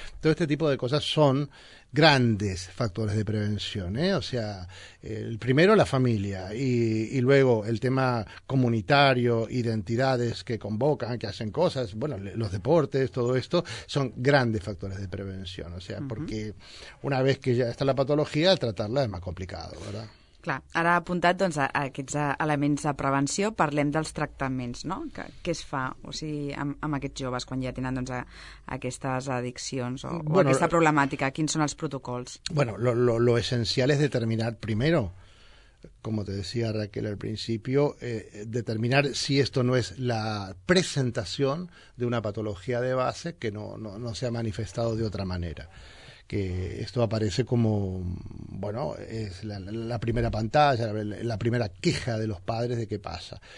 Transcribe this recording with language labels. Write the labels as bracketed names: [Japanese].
[Spanish] Todo este tipo de cosas son grandes factores de prevención, ¿eh? O sea, el primero la familia y luego el tema comunitario, identidades que convocan, que hacen cosas, bueno, los deportes, todo esto son grandes factores de prevención. O sea, porque una vez que ya está la patología, tratarla es más complicado, ¿verdad? [Catalan] Clar, ara apuntat doncs, a aquests elements de prevenció, parlem dels tractaments, no? Què es fa, o sigui, amb aquests joves quan ja tenen doncs, aquestes addiccions o aquesta problemàtica? Quins són els protocols? [Spanish] Bueno, lo esencial es determinar primero, como te decía Raquel al principio, determinar si esto no es la presentación de una patología de base que no se ha manifestado de otra manera. Que esto aparece como, bueno, es la primera pantalla, la primera queja de los padres de qué pasa.